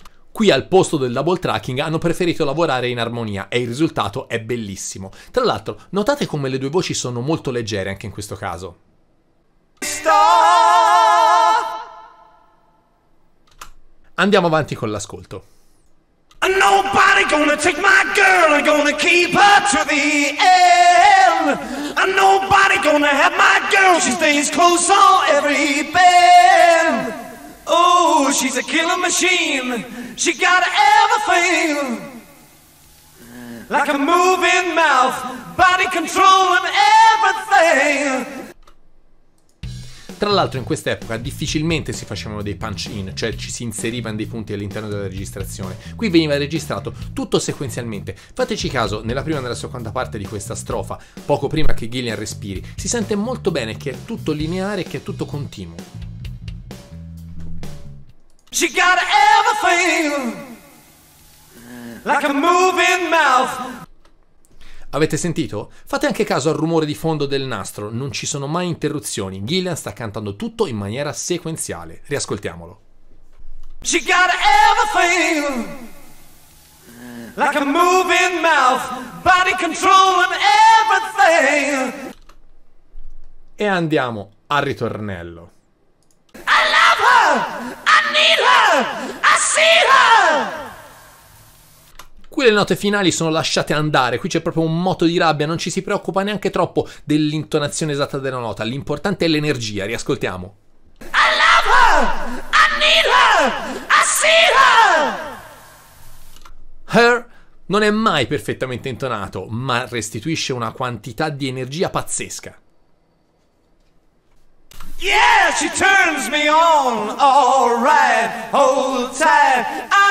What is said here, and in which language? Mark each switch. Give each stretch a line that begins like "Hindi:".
Italian: Qui al posto del double tracking hanno preferito lavorare in armonia e il risultato è bellissimo. Tra l'altro, notate come le due voci sono molto leggere anche in questo caso.
English: Star.
Italian: Andiamo avanti con l'ascolto.
English: Nobody gonna take my girl, gonna keep her to the end. And nobody gonna have my girl, she stays close on every bend. Oh, she's a killer machine, she got everything. Like a moving mouth, body controlling everything.
Italian: Tra l'altro in quest'epoca difficilmente si facevano dei punch in, cioè ci si inserivano dei punti all'interno della registrazione. Qui veniva registrato tutto sequenzialmente. Fateci caso, nella prima e nella seconda parte di questa strofa, poco prima che Gillian respiri, si sente molto bene che è tutto lineare e che è tutto continuo.
English: She got everything, like a moving mouth.
Italian: Avete sentito? Fate anche caso al rumore di fondo del nastro, non ci sono mai interruzioni, Gillian sta cantando tutto in maniera sequenziale. Riascoltiamolo.
English: She got everything, like a moving mouth, body controlling everything.
Italian: E andiamo al ritornello.
English: I love her, I need her, I see her.
Italian: Qui le note finali sono lasciate andare, qui c'è proprio un moto di rabbia, non ci si preoccupa neanche troppo dell'intonazione esatta della nota, l'importante è l'energia, riascoltiamo.
English: I love her, I need her, I see her.
Italian: Her non è mai perfettamente intonato, ma restituisce una quantità di energia pazzesca.
English: Yeah, she turns me on, all right, hold tight.